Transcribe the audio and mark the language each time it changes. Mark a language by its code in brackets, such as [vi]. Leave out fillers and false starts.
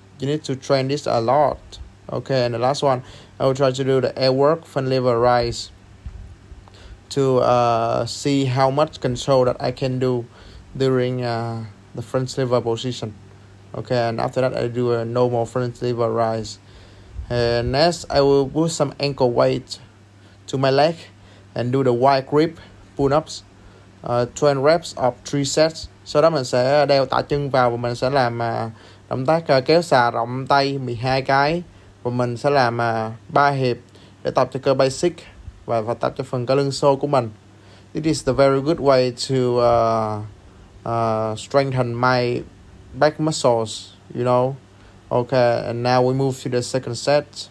[en] You need to train this a lot. Okay, and the last one, I will try to do the airwork front lever rise to see how much control that I can do during the front lever position. Okay, and after that, I do a normal front lever rise. And next, I will put some ankle weight to my leg and do the wide grip pull-ups. 20 reps of 3 sets. [vi] Sau đó mình sẽ đeo tả chân vào và mình sẽ làm động tác kéo xà rộng tay 12 cái. Và mình sẽ làm 3 hiệp để tập cho cơ basic và tập cho phần cơ lưng xô của mình. [en] This is the very good way to strengthen my back muscles, you know. Okay, and now we move to the second set.